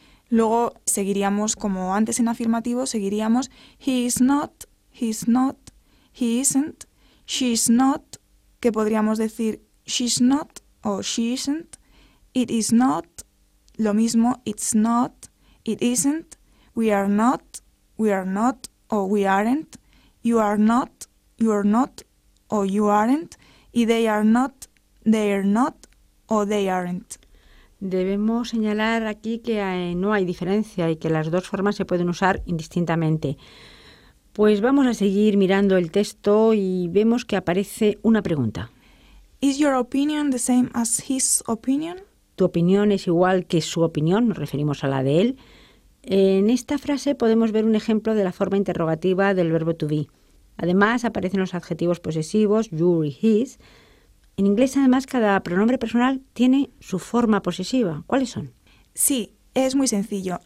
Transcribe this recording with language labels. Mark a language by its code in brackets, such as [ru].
[es] Luego seguiríamos como antes en afirmativo, seguiríamos [en] he is not, he isn't, she is not, [es] que podríamos decir [en] she's not o she isn't, it is not, [es] lo mismo [en] it's not, it isn't, we are not o we aren't, you are not, you're not, or you aren't, y they are not, they're not, or they aren't. [es] Debemos señalar aquí que no hay diferencia y que las dos formas se pueden usar indistintamente. Pues vamos a seguir mirando el texto y vemos que aparece una pregunta. [en] Is your opinion the same as his opinion? [es] ¿Tu opinión es igual que su opinión? Nos referimos a la de él. En esta frase podemos ver un ejemplo de la forma interrogativa del verbo to be. Además, aparecen los adjetivos posesivos, you y his. En inglés, además, cada pronombre personal tiene su forma posesiva. ¿Cuáles son? Sí, es muy sencillo.